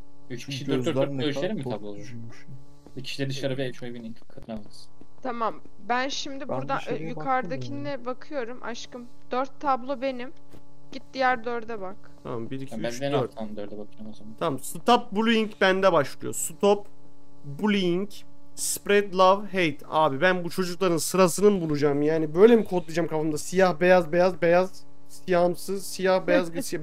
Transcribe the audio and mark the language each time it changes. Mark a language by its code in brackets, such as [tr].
[tr] 3 kişi 4 4 4 görüşelim mi tablolu? 2 kişi de dışarı bir HOV'nin katlanmasın. Tamam, ben şimdi burada yukarıdakine bakıyorum aşkım. 4 tablo benim. Git diğer 4'e bak. Tamam, 1, 2, 3, 4. Ben de 4'e bakıyorum o zaman. Tamam, [en] stop bullying [tr] bende başlıyor. [en] Stop bullying, spread love, hate. [tr] Abi ben bu çocukların sırasını mı bulacağım yani? Böyle mi kodlayacağım kafamda? Siyah, beyaz, beyaz, beyaz. Siyahımsız, siyah, beyaz, siyah.